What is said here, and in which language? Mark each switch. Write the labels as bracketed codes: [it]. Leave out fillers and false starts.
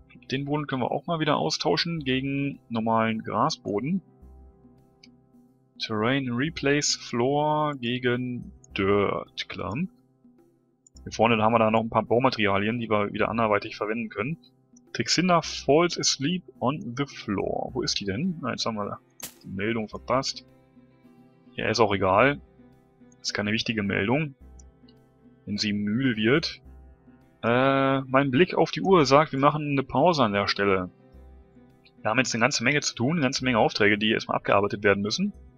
[de] Den Boden können wir auch mal wieder austauschen gegen normalen Grasboden. [en] Terrain Replace Floor gegen Dirt Clump. [de] Hier vorne haben wir da noch ein paar Baumaterialien, die wir wieder anderweitig verwenden können. [en] Tixinda falls asleep on the floor. [de] Wo ist die denn? Na, jetzt haben wir die Meldung verpasst. Ja, ist auch egal. Ist keine wichtige Meldung. Wenn sie müde wird. Mein Blick auf die Uhr sagt, wir machen eine Pause an der Stelle. Wir haben jetzt eine ganze Menge zu tun, eine ganze Menge Aufträge, die erstmal abgearbeitet werden müssen.